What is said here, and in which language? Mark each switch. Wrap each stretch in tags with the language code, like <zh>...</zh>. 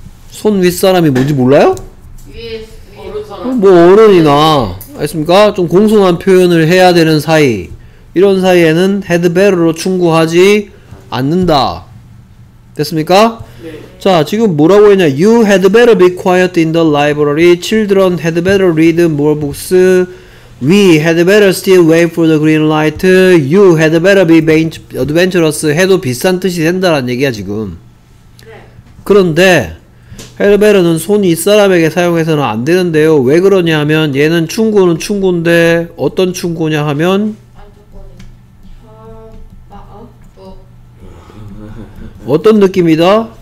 <ko>손 윗사람이 뭔지 몰라요? 어른 뭐 어른이나 알겠습니까? 좀 공손한 표현을 해야 되는 사이 이런 사이에는 헤드베러로 충고하지 않는다. 됐습니까? 네. 자, 지금 뭐라고 했냐.</ko> <en>You had better be quiet in the library. Children had better read more books. We had better still wait for the green light. You had better be adventurous.</en> <ko>해도 비슷한 뜻이 된다라는 얘기야 지금. 그런데 헤드베르는 손 윗사람에게 사용해서는 안 되는데요. 왜 그러냐 하면 얘는 충고는 충고인데 어떤 충고냐 하면 어떤 느낌이다?</ko>